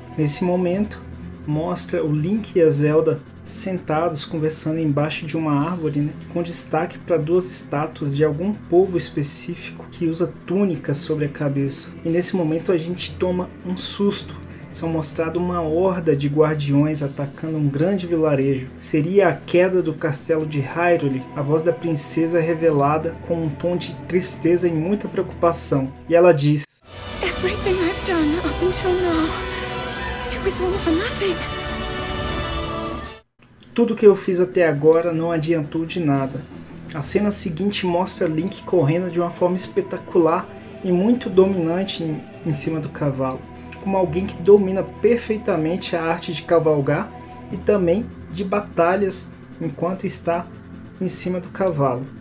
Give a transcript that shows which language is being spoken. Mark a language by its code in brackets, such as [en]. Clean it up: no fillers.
[pt] Nesse momento, mostra o Link e a Zelda sentados conversando embaixo de uma árvore, né, com destaque para duas estátuas de algum povo específico que usa túnicas sobre a cabeça. E nesse momento a gente toma um susto. São mostrados uma horda de guardiões atacando um grande vilarejo. Seria a queda do castelo de Hyrule. A voz da princesa é revelada com um tom de tristeza e muita preocupação. E ela diz: [en] everything I've done up until now, it was all for nothing. [pt] Tudo que eu fiz até agora não adiantou de nada. A cena seguinte mostra Link correndo de uma forma espetacular e muito dominante em cima do cavalo, como alguém que domina perfeitamente a arte de cavalgar e também de batalhas enquanto está em cima do cavalo.